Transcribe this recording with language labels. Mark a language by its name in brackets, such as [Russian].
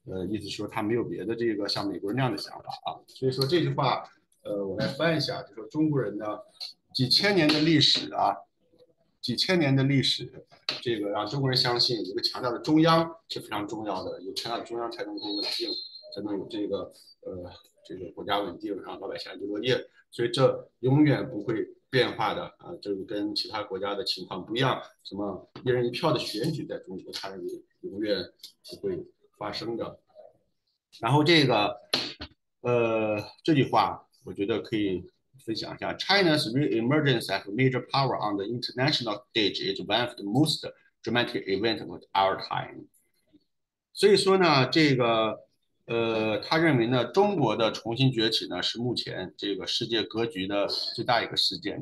[Chinese] 意思说他没有别的这个像美国人那样的想法啊。所以说这句话，我来翻一下，就说中国人呢，几千年的历史啊，几千年的历史，这个让中国人相信一个强大的中央是非常重要的，有强大的中央才能够稳定，才能有这个国家稳定，然后老百姓安居乐业。所以这永远不会。变化的啊，就是跟其他国家的情况不一样。什么一人一票的选举，在中国它是永远不会发生的。然后这个，这句话我觉得可以分享一下： [English] China's re-emergence as a major power on the international stage is one of the most dramatic events of our time。 [Chinese] 所以说呢，这个。他认为呢，中国的重新崛起呢，是目前这个世界格局的最大一个事件。